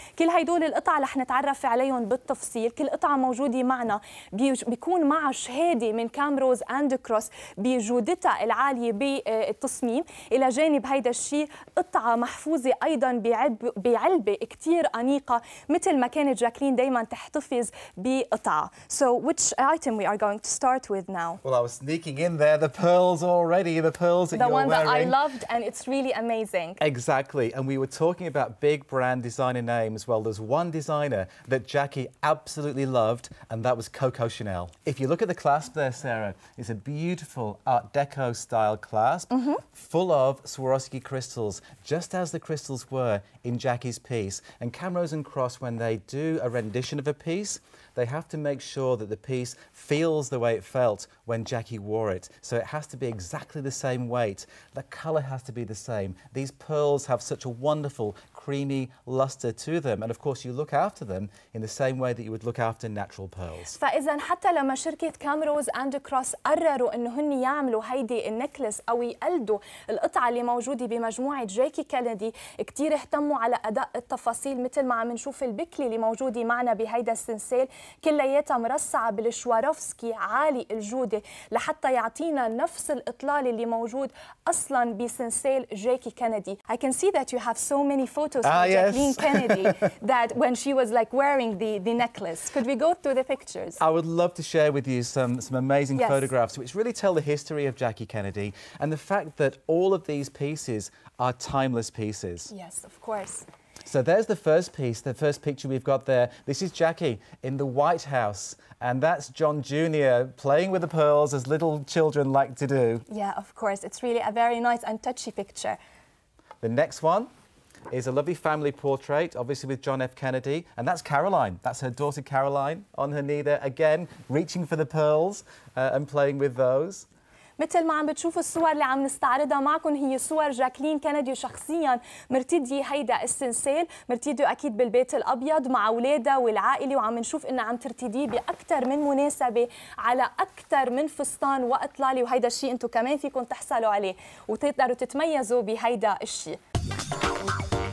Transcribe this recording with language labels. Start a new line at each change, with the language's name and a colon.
Arabic: كل هيدول القطع رح نتعرف عليهم بالتفصيل، كل قطعة موجودة معنا بيكون معها شهادة من كامروز أند كروس بجودتها العالية بالتصميم، إلى جانب هيدا الشيء قطعة محفوظة أيضا بعلبة كتير أنيقة مثل ما كانت جاكلين دائما تحتفظ بقطعه.
English: So which item we are going to start with now? Well, I was sneaking in there. The pearls already. The pearls that the you're wearing. The one that I loved, and it's really amazing. Exactly. And we were talking about big brand designer names. Well, there's one designer that Jackie absolutely loved, and that was Coco Chanel. If you look at the clasp there, Sarah, it's a beautiful Art Deco style clasp, full of Swarovski crystals, just as the crystals were in Jackie's piece. And Camrose and Cross, when they do a rendition of a piece, they have to make sure that the piece feels the way it felt when Jackie wore it. So it has to be exactly the same weight. The color has to be the same. These pearls have such a wonderful creamy luster to them, and of course you look after them in the same way that you would look after natural pearls.
Arabic: فإذا حتى لما شركة كامروز أند كروس قرروا إنه هن يعملوا هيدي النكلس أو يقلدوا القطعة اللي موجودة بمجموعة جاكي كينيدي، كتير اهتموا على أداء التفاصيل مثل ما عم نشوف البكلي اللي موجودة معنا بهيدا السنسال، كلياتها مرصعة بالشوارفسكي عالي الجودة لحتى يعطينا نفس الإطلال اللي موجود أصلا بسنسال جاكي كينيدي.
English: I can see that you have so many photos of Jacqueline Kennedy that when she was like wearing the necklace. Could we go through the pictures? I would love to share with you some amazing photographs which really tell the history of Jackie Kennedy and the fact that all of these pieces are timeless pieces. Yes, of course. So there's the first piece, the first picture we've got there. This is Jackie in the White House, and that's John Jr. playing with the pearls as little children like to do. Yeah, of course. It's really a very nice and touchy picture. The next one is a lovely family portrait, obviously with John F. Kennedy, and that's Caroline. That's her daughter Caroline on her knee there, again, reaching for the pearls and playing with those.
Arabic: مثل ما عم بتشوفوا الصور اللي عم نستعرضها معكم هي صور جاكلين كينيدي شخصيا مرتدي هيدا السنسال، مرتدي اكيد بالبيت الابيض مع اولادها والعائله، وعم نشوف انها عم ترتديه باكثر من مناسبه على اكثر من فستان واطلاله، وهيدا الشيء انتم كمان فيكم تحصلوا عليه وتقدروا تتميزوا بهيدا الشيء.